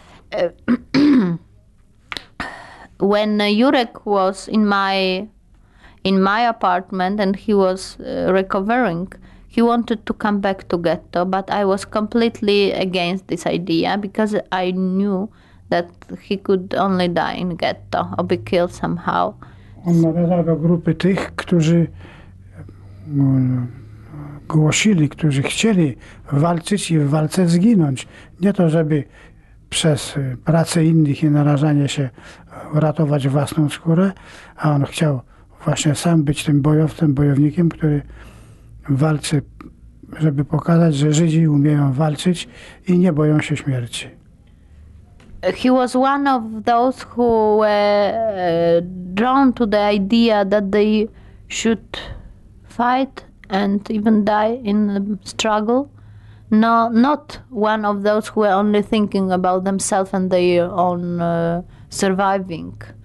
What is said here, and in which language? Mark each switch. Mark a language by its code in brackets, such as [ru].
[en] When Jurek was in my apartment and he was recovering, he wanted to come back to ghetto, but I was completely against this idea because I knew that he could only die in ghetto or be killed somehow. [pl] On należał do grupy tych, którzy głosili, którzy chcieli walczyć i w walce zginąć. Nie to, żeby przez pracę innych i narażanie się uratować własną skórę, a on chciał właśnie sam być tym bojowcem, bojownikiem, który walczy, żeby pokazać, że Żydzi umieją walczyć i nie boją się śmierci. [en] He was one of those who were drawn to the idea that they should fight and even die in the struggle. No, not one of those who were only thinking about themselves and their own surviving.